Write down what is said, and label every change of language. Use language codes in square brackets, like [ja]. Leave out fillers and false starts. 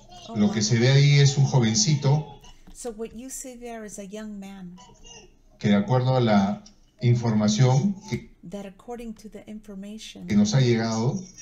[es] Lo que se ve ahí es un jovencito. [en] So what you see there is a young man. [es] Que de acuerdo a la información que nos ha llegado,